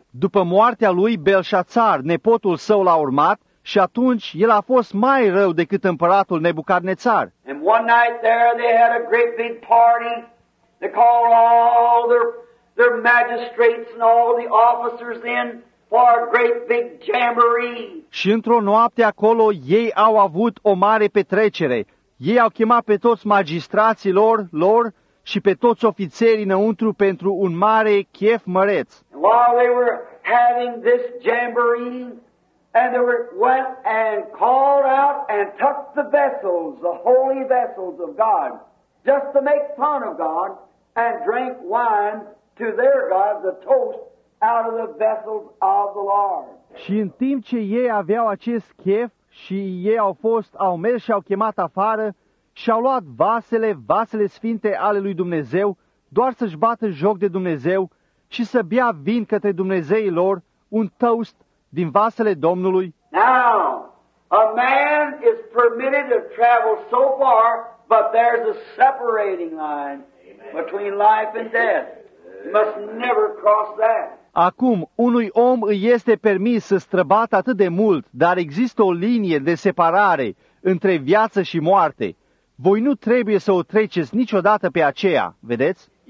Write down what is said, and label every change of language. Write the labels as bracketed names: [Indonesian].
[Romanian] După moartea lui, Belșațar, nepotul său l-a urmat și atunci el a fost mai rău decât împăratul Nebucadnețar. [English] And one night there they had a great big party. They called all their magistrates and all the officers in for a great big jamboree. [Romanian] Și într-o noapte acolo ei au avut o mare petrecere. Ei au chemat pe toți magistrații lor și pe toți ofițerii înăuntru pentru un mare chef măreț. [English] While they were having this jamboree, and they went and called out and took the vessels, the holy vessels of God, just to make fun of God, and drank wine to their God, the toast, out of the vessels of the Lord. [Romanian] Și în timp ce ei aveau acest chef și ei au mers și au chemat afară, și-au luat vasele sfinte ale lui Dumnezeu, doar să-și bată joc de Dumnezeu și să bea vin către Dumnezeii lor, un toast din vasele Domnului. [English] Now, a man is permitted to travel so far, but there's a separating line between life and death. You must never cross that. [Romanian] Acum, unui om îi este permis să străbată atât de mult, dar există o linie de separare între viață și moarte. Voi nu trebuie să o treceți niciodată pe aceea, vedeți?